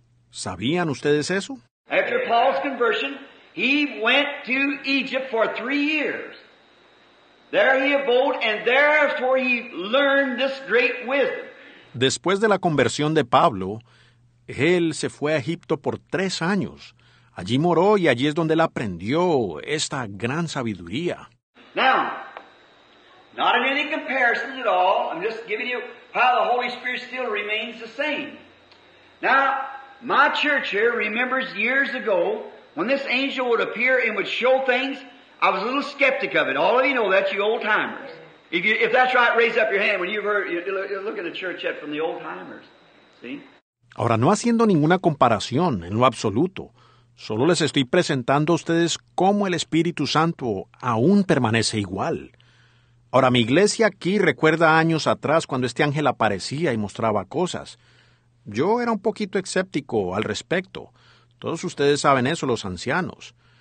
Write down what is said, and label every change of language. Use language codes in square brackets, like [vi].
[es] ¿Sabían ustedes eso? [en] After Paul's conversion, he went to Egypt for 3 years. There he abode, and therefore he learned this great wisdom. [es] Después de la conversión de Pablo, él se fue a Egipto por 3 años. Allí moró y allí es donde él aprendió esta gran sabiduría. [en] Now, not in any comparison at all, I'm just giving you how the Holy Spirit still remains the same. Now, my church here remembers years ago when this angel would appear and would show things. I was a little skeptic of it. All of you know that, you old timers. If that's right, raise up your hand when you've heard, you look at the church yet from the old timers. See? [es] Ahora, no haciendo ninguna comparación en lo absoluto, solo les estoy presentando a ustedes cómo el Espíritu Santo aún permanece igual. Ahora, mi iglesia aquí recuerda años atrás cuando este ángel aparecía y mostraba cosas. Yo era un poquito escéptico al respecto. Todos ustedes saben eso, los ancianos.